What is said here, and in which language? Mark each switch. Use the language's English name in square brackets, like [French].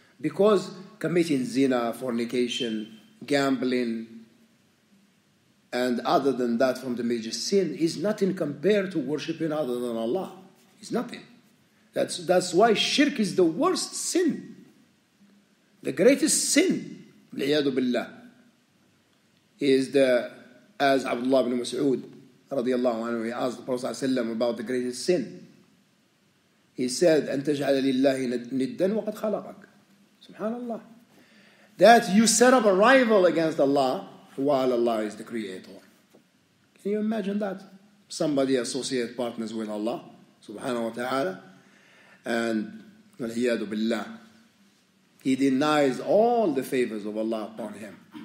[English] Because committing zina, fornication, gambling, and other than that from the major sin, is nothing compared to worshipping other than Allah. It's nothing. That's why shirk is the worst sin. The greatest sin, liyadu billah, is the, as Abdullah ibn Mas'ud radiallahu anhu, he asked the Prophet about the greatest sin. He said, [Arabic] أن تجعل لله ندا وقد خلقك. Subhanallah. [English] That you set up a rival against Allah while Allah is the creator. Can you imagine that? Somebody associate partners with Allah subhanahu wa ta'ala, and al-hiyadu billah, he denies all the favors of Allah upon him.